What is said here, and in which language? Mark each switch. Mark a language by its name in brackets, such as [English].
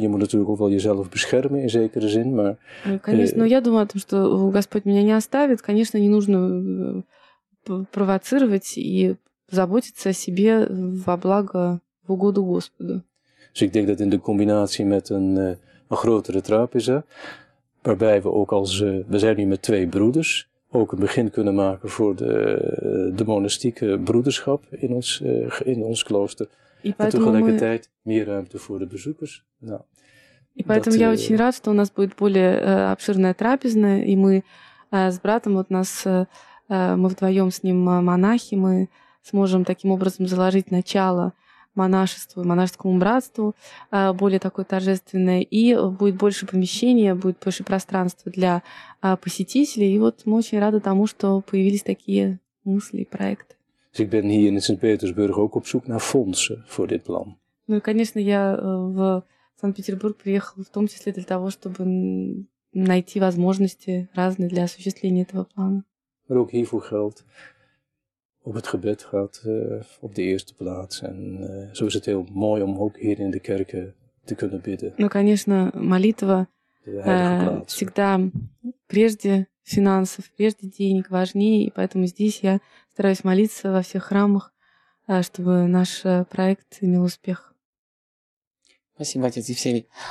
[Dutch] Je moet natuurlijk ook wel jezelf beschermen in zekere zin, maar. [Russian] Конечно, я думаю о том, что Господь меня не оставит. Конечно, не нужно провоцировать и заботиться о себе во благо, в угоду Господу. [Dutch] Dus ik denk dat in de combinatie met een grotere trapeza, waarbij we ook als we zijn nu met twee broeders, ook een begin kunnen maken voor de monastieke broederschap in ons klooster. En tegelijkertijd meer ruimte voor de bezoekers. Nou, [Russian] и поэтому я очень рад, что у нас будет более обширная трапезная, и мы с братом, вот нас, мы вдвоем с ним монахи, мы сможем таким образом заложить начало монашеству, монашескому братству, более такое торжественное, и будет больше помещения, будет больше пространства для посетителей, и вот мы очень рады тому, что появились такие мысли и проекты. [Dutch] Dus ik ben hier in Sint-Petersburg ook op zoek naar fondsen voor dit plan. [Russian] Ну, конечно, я в Санкт-Петербург приехал в том числе для того, чтобы найти возможности разные для осуществления этого плана. [Dutch] Maar ook hiervoor geldt, op het gebed gaat op de eerste plaats. En zo is het heel mooi om ook hier in de kerken te kunnen bidden. [Russian] Ну, конечно, молитва всегда прежде финансов, прежде денег важнее, и поэтому здесь я стараюсь молиться во всех храмах, чтобы наш проект имел успех. Спасибо, отец Евсевий.